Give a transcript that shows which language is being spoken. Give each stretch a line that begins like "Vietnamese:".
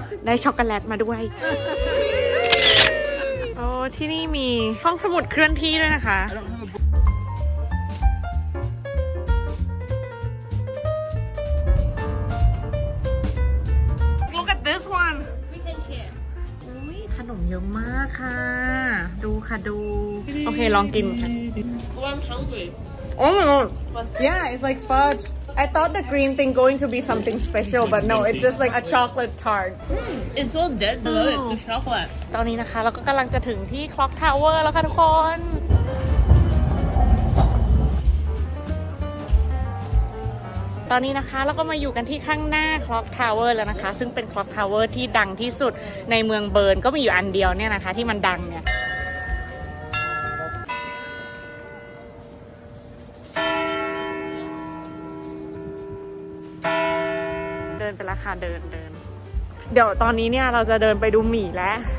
Thai: ได้ช็อกโกแลตมาด้วยที่นี่มีห้องสมุดเคลื่อนที่ด้วยนะคะ
English: Look at this one We can share
Thai: ขนมเยอะมากค่ะดูค่ะดูโอเคลองกินค่ะ
English: Oh I'm hungry Oh my god Yeah it's like fudge I thought the green thing going to be something special, but no, it's just like a chocolate tart. It's so dead below it, the chocolate.
Thai: ตอนนี้นะคะเราก็กำลังจะถึงที่ Clock Tower แล้วค่ะทุกคนตอนนี้นะคะเราก็มาอยู่กันที่ข้างหน้า Clock Tower แล้วนะคะซึ่งเป็น Clock Tower ที่ดังที่สุดในเมืองเบิร์นก็มีอยู่อันเดียวเนี่ยนะคะที่มันดังเนี่ยเดินไปแล้วค่ะเดินเดี๋ยวตอนนี้เนี่ยเราจะเดินไปดูหมี่แล้ว